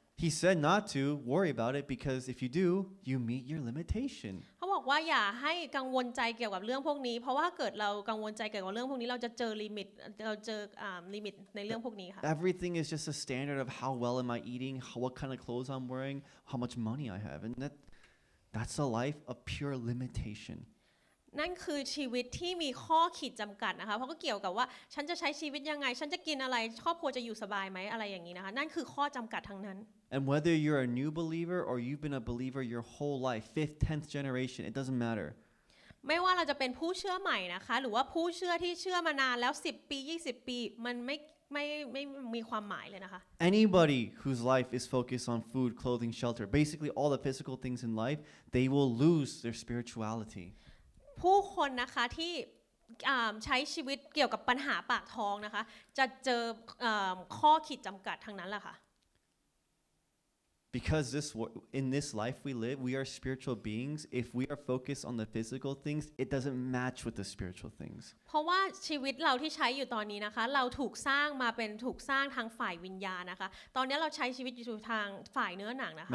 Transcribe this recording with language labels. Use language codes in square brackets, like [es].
[en] He said not to worry about it because if you do, you meet your limitation. [th] เขาบอกว่าอย่าให้กังวลใจเกี่ยวกับเรื่องพวกนี้เพราะว่าเกิดเรากังวลใจเกี่ยวกับเรื่องพวกนี้เราจะเจอลิมิตเราเจอลิมิตในเรื่องพวกนี้ค่ะ [en] Everything is just a standard of how well am I eating, what kind of clothes I'm wearing, how much money I have, and that's a life of pure limitation. [th] นั่นคือชีวิตที่มีข้อขีดจำกัดนะคะเพราะก็เกี่ยวกับว่าฉันจะใช้ชีวิตยังไงฉันจะกินอะไรครอบครัวจะอยู่สบายไหมอะไรอย่างนี้นะคะนั่นคือข้อจำกัดทั้งนั้น [en] And whether you're a new believer or you've been a believer your whole life fifth tenth generation it doesn't matter [th] ไม่ว่าเราจะเป็นผู้เชื่อใหม่นะคะหรือว่าผู้เชื่อที่เชื่อมานานแล้ว10ปี20ปีมันไม่มีความหมายเลยนะคะ [en] Anybody whose life is focused on food clothing shelter basically all the physical things in life they will lose their spirituality [th] ผู้คนนะคะที่ใช้ชีวิตเกี่ยวกับปัญหาปากท้องนะคะจะเจอข้อขีดจำกัดทั้งนั้นแหละค่ะ [en] Because this in this life we live we are spiritual beings if we are focused on the physical things it doesn't match with the spiritual things [th] เพราะว่าชีวิตเราที่ใช้อยู่ตอนนี้นะคะเราถูกสร้างมาเป็นถูกสร้างทางฝ่ายวิญญาณนะคะตอนนี้เราใช้ชีวิตอยู่ทางฝ่ายเนื้อหนังนะคะ